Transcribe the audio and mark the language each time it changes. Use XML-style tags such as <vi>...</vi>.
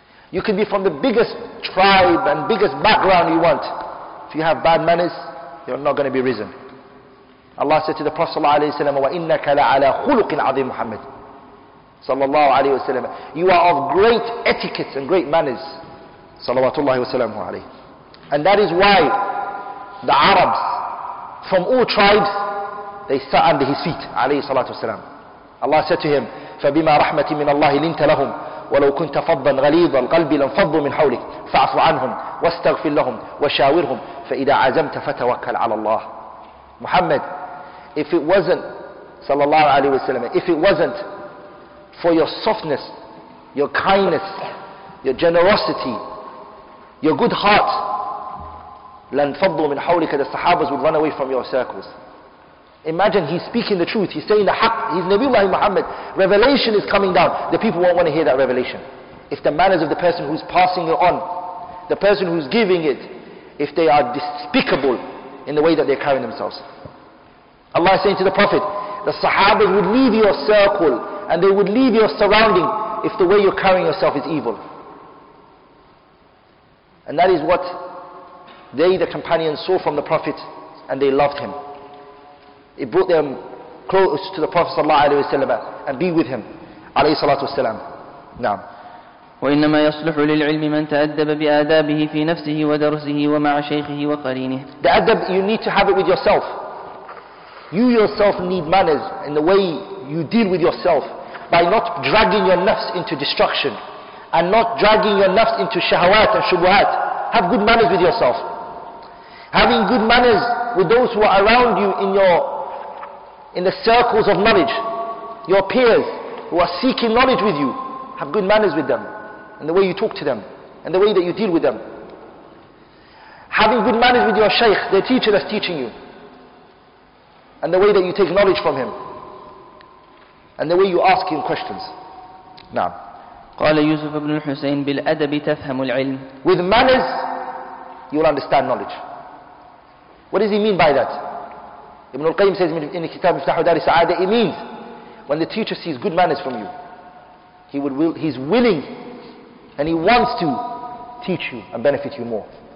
<en>You can be from the biggest tribe and biggest background you want. If you have bad manners, you're not going to be risen. Allah said to the Prophet ﷺ,</en> <ar>وَإِنَّكَ لَعَلَىٰ خُلُقٍ عَظِيمٍ مُحَمَّدٍ صلى الله عليه وسلم.</ar> <en>You are of great etiquette and great manners.</en> <ar>صلوات الله وسلامه عليه.</ar> <en>And that is why the Arabs from all tribes, they sat under his feet, عليه الصلاة والسلام. Allah said to him,</en> <ar>فبما رحمة من الله لنت لهم ولو كنت فضا غليظ القلب لانفضوا من حولك فاعف عنهم واستغفر لهم وشاورهم فإذا عزمت فتوكل على الله.</ar> <en>Muhammad, if it wasn't, صلى الله عليه وسلم, if it wasn't for your softness, your kindness, your generosity, your good heart,</en> <ar>لانفضوا من حولك,</ar> <en>the Sahabas would run away from your circles. Imagine he's speaking the truth. He's saying the haqq. He's Nabiullah Muhammad. Revelation is coming down. The people won't want to hear that revelation. If the manners of the person who's passing it on, the person who's giving it, if they are despicable in the way that they're carrying themselves. Allah is saying to the Prophet, the Sahaba would leave your circle and they would leave your surrounding if the way you're carrying yourself is evil. And that is what they, the companions, saw from the Prophet and they loved him. It brought them close to the Prophet sallallahu alaihi wasallam and be with him, alayhi salatu wasalam. Naam.</en> <ar>وإنما يصلح للعلم من تأدب بآدابه في نفسه ودرسه ومع شيخه وقرينه.</ar> <en>The adab, you need to have it with yourself. You yourself need manners in the way you deal with yourself, by not dragging your nafs into destruction and not dragging your nafs into shahawat and shubuhat. Have good manners with yourself. Having good manners with those who are around you in the circles of knowledge, your peers who are seeking knowledge with you, have good manners with them, and the way you talk to them, and the way that you deal with them. Having good manners with your shaykh, the teacher that's teaching you, and the way that you take knowledge from him, and the way you ask him questions. Now,</en> <ar>قال يوسف بن الحسين بالأدب تفهم العلم.</ar> <en>With manners, you will understand knowledge. What does he mean by that? Ibn al-Qayyim says in the Kitab Miftah Dar al-Sa'adah, it means when the teacher sees good manners from you, he's willing and he wants to teach you and benefit you more.</en>